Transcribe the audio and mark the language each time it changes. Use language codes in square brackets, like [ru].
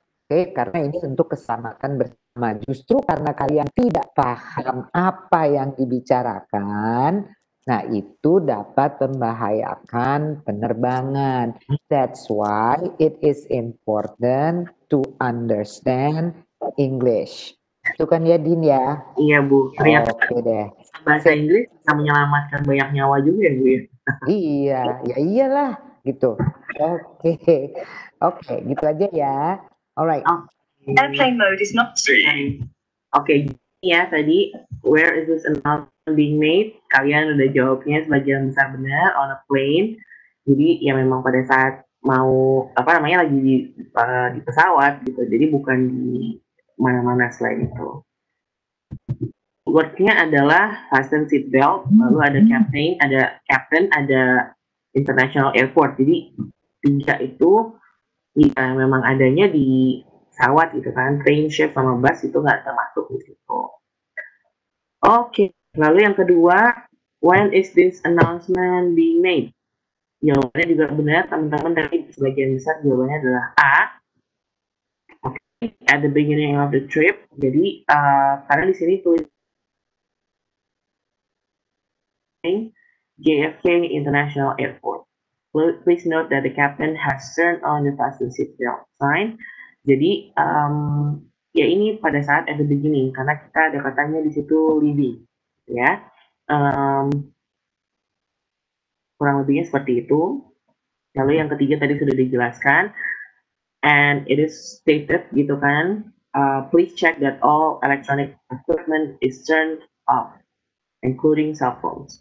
[id] Okay, karena ini untuk keselamatan bersama. Justru karena kalian tidak paham apa yang dibicarakan, nah itu dapat membahayakan penerbangan. [en] That's why it is important to understand English. [id] Itu kan ya Din ya? Iya Bu, ternyata okay deh. Bahasa Inggris bisa menyelamatkan banyak nyawa juga ya Bu. Iya, ya iyalah gitu. Oke, okay. Oke, okay, gitu aja ya. Alright. [en] Okay. Airplane mode is not okay. [id] Ya tadi [en] where is this announcement being made? [id] Kalian udah jawabnya sebagian besar benar, [en] on a plane. [id] Jadi ya memang pada saat mau apa namanya lagi di pesawat gitu. Jadi bukan di mana-mana selain itu. Word-nya adalah fasten seat belt, lalu ada captain, ada captain, ada international airport. Jadi tiga itu ya, memang adanya di pesawat gitu kan, train, ship, sama bus itu nggak termasuk di situ. Oke, lalu yang kedua, when is this announcement being made? Jawabannya juga benar, teman-teman, tapi sebagian besar jawabannya adalah A. Oke, [en] at the beginning of the trip. [id] Jadi, karena di sini tulis JFK International Airport. [en] Please note that the captain has turned on the fasten seatbelt sign. [id] Jadi, ya ini pada saat [en] at the beginning, [id] karena kita ada katanya di situ leaving, ya. Kurang lebihnya seperti itu. Lalu yang ketiga tadi sudah dijelaskan, and it is stated gitu kan, [en] please check that all electronic equipment is turned off, including cell phones.